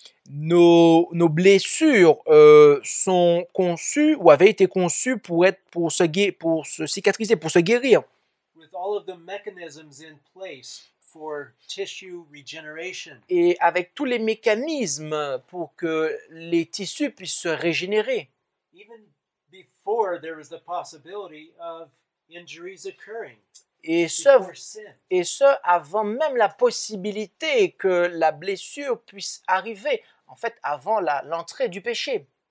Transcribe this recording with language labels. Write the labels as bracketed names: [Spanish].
[French] Nos blessures sont conçues ou avaient été conçues pour se cicatriser, pour se guérir. [English] With all of the mechanisms in place for tissue regeneration. [French] Et avec tous les mécanismes pour que les tissus puissent se régénérer. [English] Even before there was the possibility of injuries occurring. [French] Et ce, avant même la possibilité que la blessure puisse arriver, en fait, avant l'entrée du péché.